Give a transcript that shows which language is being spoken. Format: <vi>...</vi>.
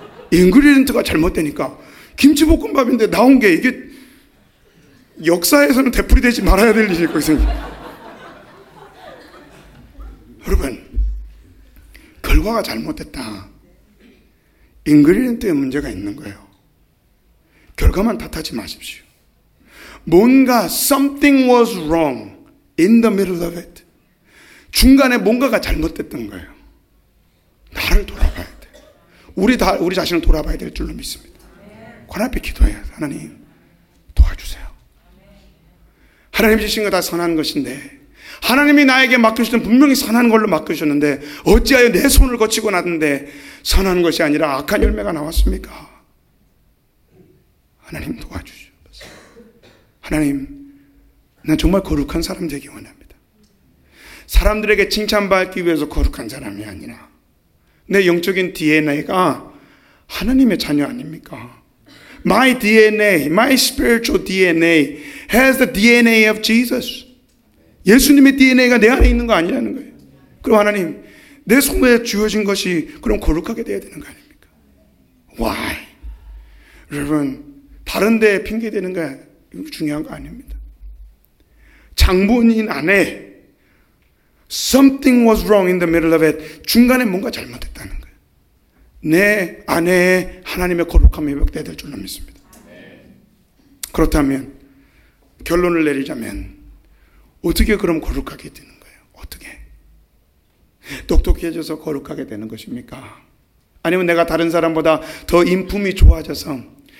<ko>인그리디언트가 잘못되니까, 김치볶음밥인데 나온 게 이게 역사에서는 되풀이 되지 말아야 될 일이 거든요. 여러분, 결과가 잘못됐다. 인그리디언트에 문제가 있는 거예요. 결과만 탓하지 마십시오. 뭔가</ko> <en>something was wrong in the middle of it.</en> <ko>중간에 뭔가가 잘못됐던 거예요. 나를 돌아봐야 돼. 우리 자신을 돌아봐야 될 줄로 믿습니다. 관 앞에 기도해요. 하나님, 도와주세요. 하나님 주신 거 다 선한 것인데, 하나님이 나에게 맡겨주셨던 분명히 선한 걸로 맡겨주셨는데, 어찌하여 내 손을 거치고 났는데 선한 것이 아니라 악한 열매가 나왔습니까? 하나님 도와주시옵소서. 하나님, 난 정말 거룩한 사람 되기 원합니다. 사람들에게 칭찬받기 위해서 거룩한 사람이 아니라 내 영적인 DNA가 하나님의 자녀 아닙니까?</ko> <en>My DNA, my spiritual DNA has the DNA of Jesus.</en> <ko>예수님의 DNA가 내 안에 있는 거 아니라는 거예요. 그럼 하나님, 내 손에 주어진 것이 그럼 거룩하게 돼야 되는 거 아닙니까?</ko> <en>Why?</en> <ko>여러분, 다른 데 핑계대는 게 중요한 거 아닙니다. 장본인 안에</ko> <en>something was wrong in the middle of it.</en> <ko>중간에 뭔가 잘못됐다는 거예요. 내 안에 하나님의 거룩함이 회복돼야 될 줄로 믿습니다. 그렇다면 결론을 내리자면, 어떻게 그럼 거룩하게 되는 거예요? 어떻게? 똑똑해져서 거룩하게 되는 것입니까? 아니면 내가 다른 사람보다 더 인품이 좋아져서,</ko>